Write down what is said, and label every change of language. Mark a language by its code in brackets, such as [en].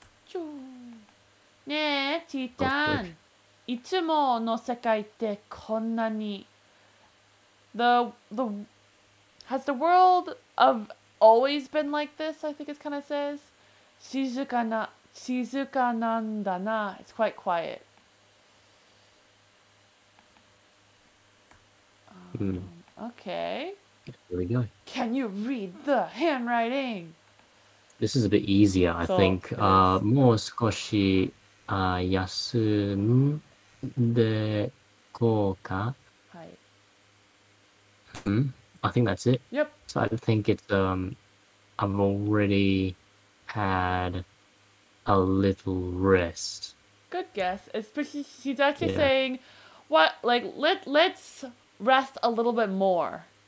[ja] チューねえ、ちーちゃん。いつもの世界ってこんなに。 [en] Has the world of always been like this? I think it kind of says. [ja] 静かなんだな。 [en] It's quite quiet. Okay. Where are we going? Can you read the handwriting? This is a bit easier, I think. [ja] もう少し休んでいこうか。はい。 [en] I think that's it. Yep. So I think it's, I've already had a little rest. Good guess. It's, but she's actually saying, what, like, let's rest a little bit more.